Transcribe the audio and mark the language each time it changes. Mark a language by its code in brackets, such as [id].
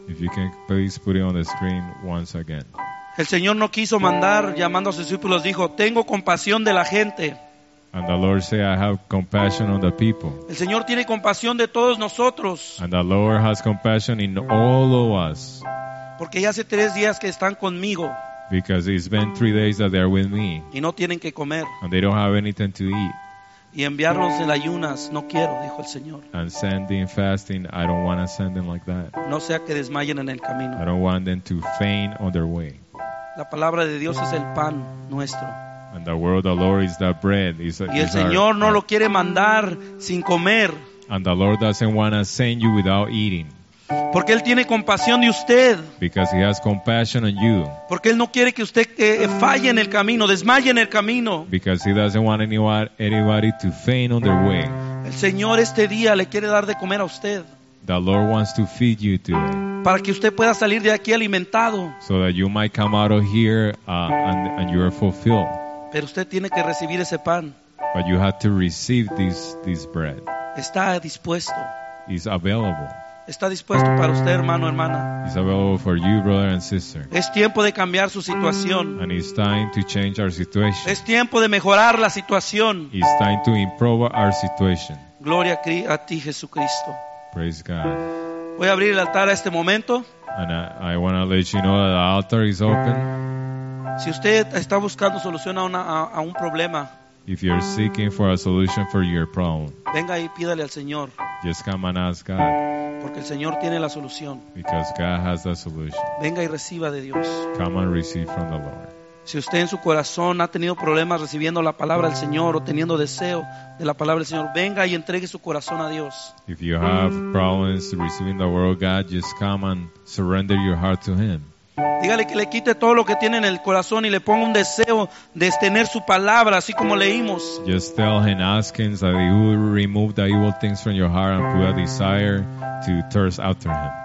[en] If you can please put it on the screen once again. [es] El Señor no quiso mandar, llamando a sus discípulos, dijo, "Tengo compasión de la gente." [en] And the Lord said, "I have compassion on the people." [es] El Señor tiene compasión de todos nosotros. [en] And the Lord has compassion in all of us. [es] Porque ya hace 3 días que están conmigo. [en] Because it's been 3 days that they're with me. [es] Y no tienen que comer. [en] And they don't have anything to eat. [es] Y enviarnos en ayunas, no quiero, dijo el Señor. [en] And sending fasting, I don't want to send them like that. [es] No sea que desmayen en el camino. [en] I don't want them to faint on their way. [es] La palabra de Dios es el pan nuestro. [en] And the word of the Lord is that bread. It's, [es] y el Señor no lo quiere mandar sin comer. [en] And the Lord doesn't want to send you without eating. [es] Porque Él tiene compasión de usted. [en] Because He has compassion on you. [es] Porque Él no quiere que usted falle en el camino, desmaye en el camino. [en] Because He doesn't want anybody to faint on their way. [es] El Señor este día le quiere dar de comer a usted. [en] The Lord wants to feed you today. [es] Para que usted pueda salir de aquí alimentado. [en] So that you might come out of here and you are fulfilled. [es] Pero usted tiene que recibir ese pan. [en] But you have to receive this bread. [es] Está dispuesto. [en] It's available. [es] Está dispuesto para usted, hermano, hermana. [en] It's available for you, brother and sister. [es] Es tiempo de cambiar su situación. [en] And it's time to change our situation. [es] Es tiempo de mejorar la situación. [en] It's time to improve our situation. [es] Gloria a ti, Jesucristo. [en] Praise God. [es] Voy a abrir el altar a este momento. [en] And I want to let you know that the altar is open. [es] Si usted está buscando solución a un problema, [en] if you're seeking for a solution for your problem, [es] venga y pídale al Señor. [en] Just come and ask God. [es] Porque el Señor tiene la solución. [en] Because God has the solution. [es] Venga y reciba de Dios. [en] Come and receive from the Lord. [es] Si usted en su corazón ha tenido problemas recibiendo la palabra del Señor o teniendo deseo de la palabra del Señor, venga y entregue su corazón a Dios. [en] If you have problems receiving the word of God, just come and surrender your heart to Him. [es] Dígale que le quite todo lo que tiene en el corazón y le ponga un deseo de tener su palabra, así como leímos. [en] Just tell him, ask him that he will remove the evil things from your heart and put a desire to thirst after him.